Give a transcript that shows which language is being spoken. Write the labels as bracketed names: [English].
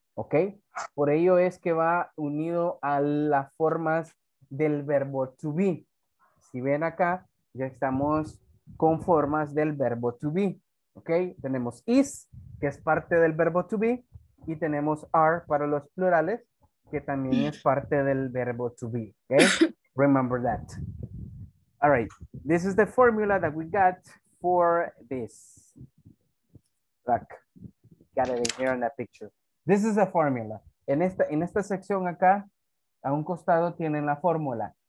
[Spanish] Okay, por ello es que va unido a las formas del verbo to be. Si ven acá, ya estamos con formas del verbo to be. Ok, tenemos is, que es parte del verbo to be, y tenemos are para los plurales, que también es parte del verbo to be. [English] Ok, remember that. All right, this is the formula that we got for this. Look, got it in here in that picture. This is the formula. [Spanish] En esta sección acá, a un costado tienen la fórmula.